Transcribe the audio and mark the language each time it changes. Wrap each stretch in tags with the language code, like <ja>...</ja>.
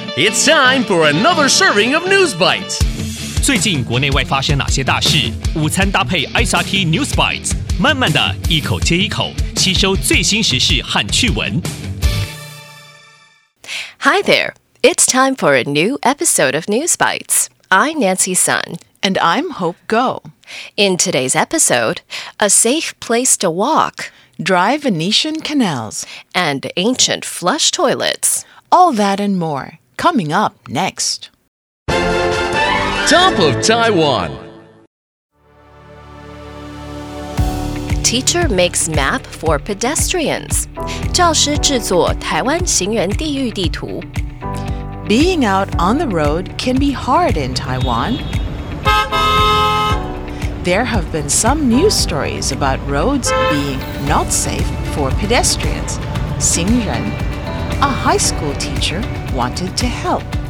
<en>It's time for another serving of News Bites.</en> <zh>最近国内外发生哪些大事？午餐搭配 SRT News Bites， 慢慢的一口接一口，吸收最新时事和趣闻。</zh> <en>Hi there, it's time for a new episode of News Bites. I'm Nancy Sun. And I'm Hope Ngo. In today's episode, a safe place to walk, dry Venetian canals, and ancient flush toilets. All that and more, coming up next. Top of Taiwan. Teacher makes map for pedestrians.</en> <zh>教师制作台湾行人地狱地图。</zh> <en>Being out on the road can be hard in Taiwan. There have been some news stories about roads being not safe for pedestrians. 行人, a high school teacher, wanted to help.</en>